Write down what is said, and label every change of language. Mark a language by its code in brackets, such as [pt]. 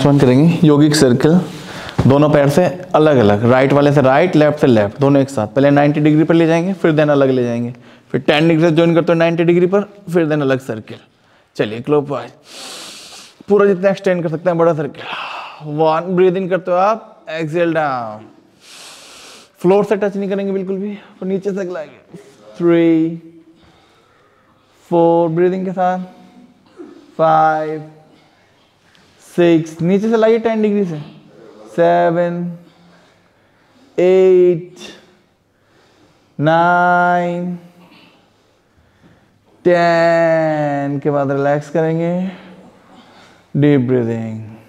[hi] Next one करेंगे yogic circle, दोनों पैर से अलग अलग, right वाले से right, left से left, दोनों एक साथ, पहले 90 degree पर ले जाएंगे, फिर then अलग ले जाएंगे, फिर 10 degree से join करते हो 90 degree पर, फिर then अलग circle. चलिए clockwise, पूरा जितना extend कर सकते हैं बड़ा circle. [en] One, breathe in [hi] करते हो आप, [en] exhale down. [hi] फ्लोर से टच नहीं करेंगे बिल्कुल भी, और नीचे से लाएंगे, 3, 4 ब्रीदिंग के साथ, 5, 6 नीचे से लाइए 10 डिग्री से, 7, 8, 9, 10 के बाद रिलैक्स करेंगे, डीप ब्रीदिंग.